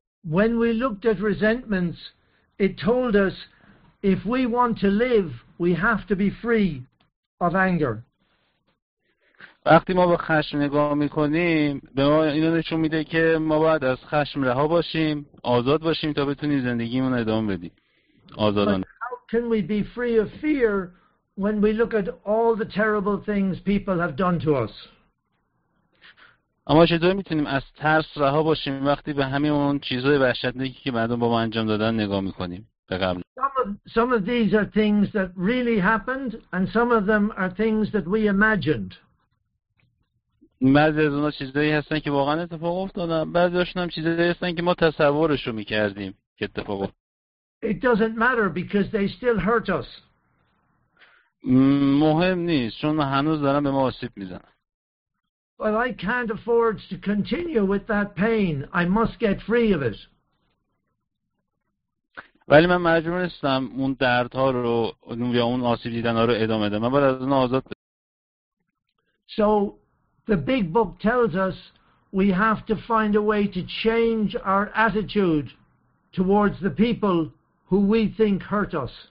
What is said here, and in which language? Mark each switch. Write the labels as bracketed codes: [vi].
[en] When we looked at resentments, it told us if we want to live, we have to be free of anger. [fa] وقتی ما به خشم نگاه میکنیم به ما اینو نشون میده که ما باید از خشم رها باشیم، آزاد باشیم تا بتونیم زندگیمون رو ادامه بدیم آزادانه. [en] But how can we be free of fear when we look at all the terrible things people have done to us? [fa] اما چطور میتونیم از ترس رها باشیم وقتی به همه اون چیزهای وحشتناکی که مردم با ما انجام دادن نگاه میکنیم به قبل؟ [en] Some of these are things that really happened and some of them are things that we imagined. [fa] بعضی از اونها چیزایی هستن که واقعا اتفاق افتادن، بعضی هاشون هم چیزایی هستن که ما تصورشو میکردیم که اتفاق افتاد. [en] It doesn't matter because they still hurt us. [fa] مهم نیست چون هنوز دارن به ما آسیب میزنن. [en] But I can't afford to continue with that pain. I must get free of it. [fa] ولی من مجبور نیستم اون دردها رو یا اون آسیب دیدنها رو ادامه بدم. من باید از اون آزاد بشم. [en] So the big book tells us we have to find a way to change our attitude towards the people who we think hurt us.